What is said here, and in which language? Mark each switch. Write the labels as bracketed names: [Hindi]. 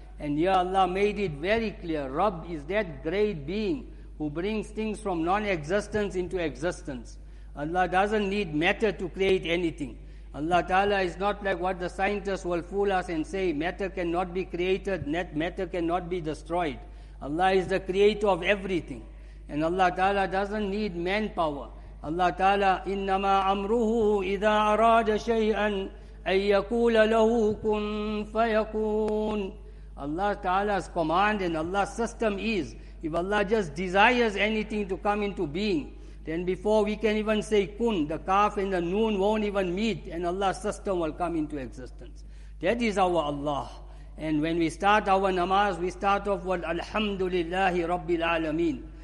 [English] And here Allah made it very clear, Rabb is that great being who brings things from non-existence into existence. Allah doesn't need matter to create anything. Allah Ta'ala is not like what the scientists will fool us and say, matter cannot be created, matter cannot be destroyed. Allah is the creator of everything. And Allah Ta'ala doesn't need manpower. Allah Ta'ala, [Arabic] إِنَّمَا أَمْرُهُ إِذَا أَرَادَ شَيْئًا أَن يَكُولَ لَهُ كُنْ فَيَكُونَ. [English] Allah Ta'ala's command and Allah's system is, if Allah just desires anything to come into being, then before we can even say kun, the kaf and the noon won't even meet and Allah's system will come into existence. That is our Allah. And when we start our namaz, we start off with Alhamdulillahi Rabbil Alameen.